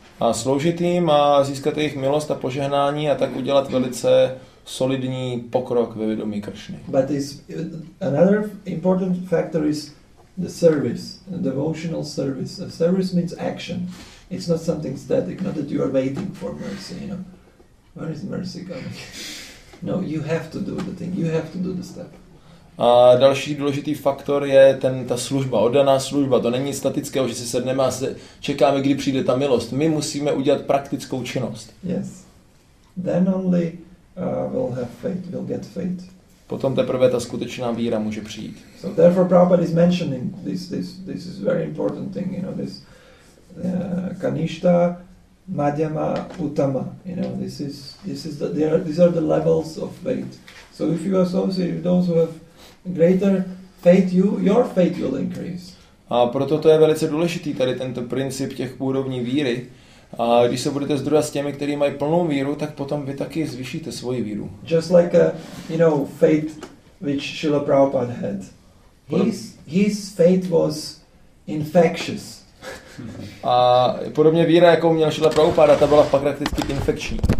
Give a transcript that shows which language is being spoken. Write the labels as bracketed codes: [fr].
[cs] A sloužit jim a získat jejich milost a požehnání a tak udělat velice solidní pokrok ve vědomí Krišny. [en] But is another important factor is the service, the devotional service. A service means action. It's not something static, not that you are waiting for mercy, you know. When is mercy coming? No, you have to do the thing, you have to do the step. [cs] A další důležitý faktor je ta služba, oddaná služba. To není statické, že si sedneme a čekáme, kdy přijde ta milost. My musíme udělat praktickou činnost. [en] Yes. Then only we'll have faith, we'll get faith. [cs] Potom teprve ta skutečná víra může přijít. [en] So therefore Prabhupada is mentioning this is very important thing, you know, this kanishta, madhyama, uttama, you know, these are the levels of faith. So if you associate with those who have greater faith, your faith will increase. [cs] A proto to je velice důležitý tady tento princip těch úrovní víry. A když se budete sdružovat s těmi, kteří mají plnou víru, tak potom vy taky zvýšíte svoji víru. [en] Just like faith which Srila Prabhupada had. His faith was infectious. [cs] A podobně víra, jakou měl Srila Prabhupada, ta byla prakticky infekční.